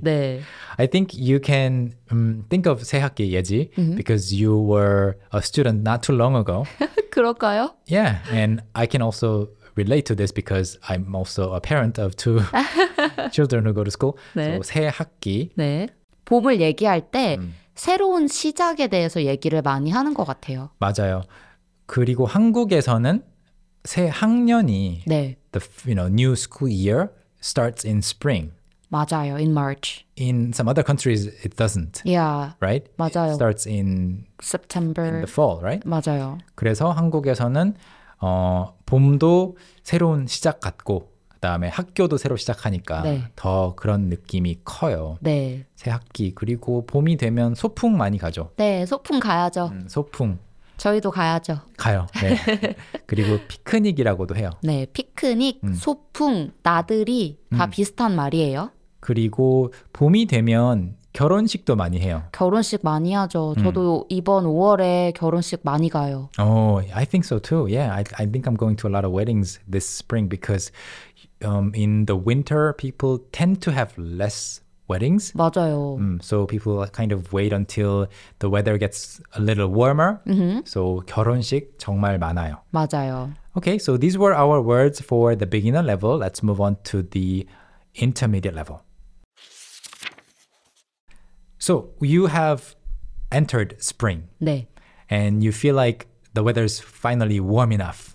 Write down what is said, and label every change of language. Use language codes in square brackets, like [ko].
[ko] 네. [en] I think you can think of 새 학기, 예지, because you were a student not too long ago. [ko] 그럴까요? [en] Yeah, and I can also relate to this because I'm also a parent of two children who go to school. [ko] 네. [en] So 새 학기. [ko] 네. 봄을 얘기할 때 새로운 시작에 대해서 얘기를 많이 하는 것 같아요. 맞아요. 그리고 한국에서는 새 학년이 네. [en] the new school year starts in spring. [ko] 맞아요. [en] In March. In some other countries, it doesn't. Yeah. Right? [ko] 맞아요. [en] It starts in September. In the fall, right? [ko] 맞아요. 그래서 한국에서는 봄도 새로운 시작 같고 그다음에 학교도 새로 시작하니까 네. 더 그런 느낌이 커요. 네. 새 학기 그리고 봄이 되면 소풍 많이 가죠. 네, 소풍 가야죠. 소풍. 저희도 가야죠. 가요. 네. 그리고 피크닉이라고도 해요. 네, 피크닉, 소풍, 나들이 다 비슷한 말이에요. 그리고 봄이 되면 결혼식도 많이 해요. 결혼식 많이 하죠. 저도 이번 5월에 결혼식 많이 가요. [en] Oh, I think so too. Yeah, I think I'm going to a lot of weddings this spring because in the winter, people tend to have less weddings. [ko] 맞아요. [en] So people kind of wait until the weather gets a little warmer. Mm-hmm. [ko] So 결혼식 정말 많아요. 맞아요. [en] Okay, so these were our words for the beginner level. Let's move on to the intermediate level. So you have entered spring. [ko] 네. [en] And you feel like the weather is finally warm enough.